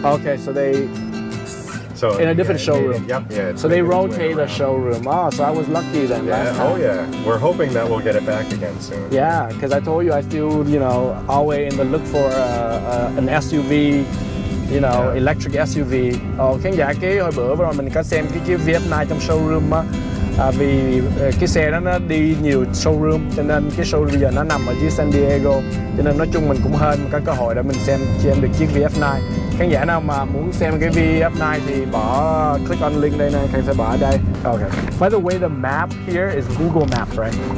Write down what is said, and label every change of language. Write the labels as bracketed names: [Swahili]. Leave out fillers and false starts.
[English] Okay, so in a different showroom. Yep. So they rotate the showroom. Oh, so I was lucky then. Yeah. Last time. Oh yeah. We're hoping that we'll get it back again soon. Yeah, because I told you I still, you know, always in the look for an SUV. You know, electric SUV. [Vietnamese] Khán giả cái hồi bữa rồi mình có xem cái chiếc VF9 trong showroom á. Vì cái xe đó nó đi nhiều showroom, cho nên cái showroom bây giờ nó nằm ở dưới San Diego. Cho nên nói chung mình cũng hên có cơ hội để mình xem được chiếc VF9. Khán giả nào mà muốn xem cái VF9 thì bỏ [English] click on link [Vietnamese] đây này, Khang sẽ bỏ ở đây. [English] Okay. By the way, the map here is Google Map, right?